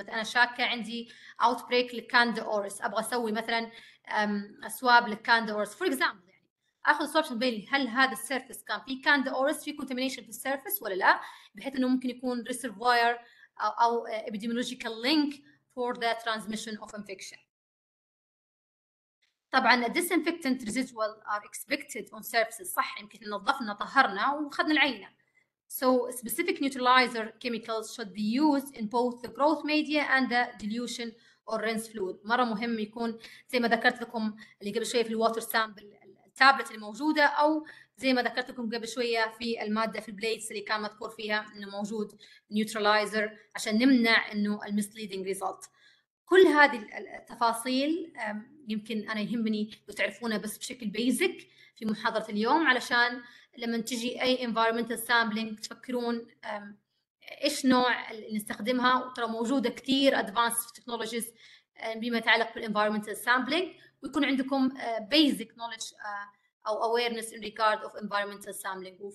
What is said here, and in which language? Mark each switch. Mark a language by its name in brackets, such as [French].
[Arabic] مثلا انا شاكه عندي اوت بريك للكاندا اورس، ابغى اسوي مثلا اسواب للكاندا اورس فور اكزامبل، يعني اخذ سواب عشان تبين لي هل هذا السيرفس كان فيه كاندا اورس، فيه كونتامينيشن في السيرفس ولا لا، بحيث انه ممكن يكون ريسيرفوير او ابيديمولوجيكال لينك فور ذا ترانسميشن اوف انفكشن. طبعا الديسانفكتنت ريزيدوال ار اكسبكتد اون سيرفيسز، صح، يمكن نظفنا طهرنا وخذنا العينه. [English] So specific neutralizer chemicals should be used in both the growth media and the dilution or rinse fluid. [Arabic] مرة مهم يكون زي ما ذكرت لكم اللي قبل شوية في الواتر سامبل التابلت الموجودة، أو زي ما ذكرت لكم قبل شوية في المادة في البليتس اللي كان مذكور فيها إنه موجود neutralizer عشان نمنع إنه misleading result. كل هذه التفاصيل يمكن أنا يهمني لو تعرفونها بس بشكل بيزك في محاضرة اليوم، علشان لما تجي أي environmental sampling تفكرون إيش نوع اللي نستخدمها، وترى موجودة كتير advanced technologies بما يتعلق بالenvironmental sampling، ويكون عندكم basic knowledge أو awareness in regard of environmental sampling.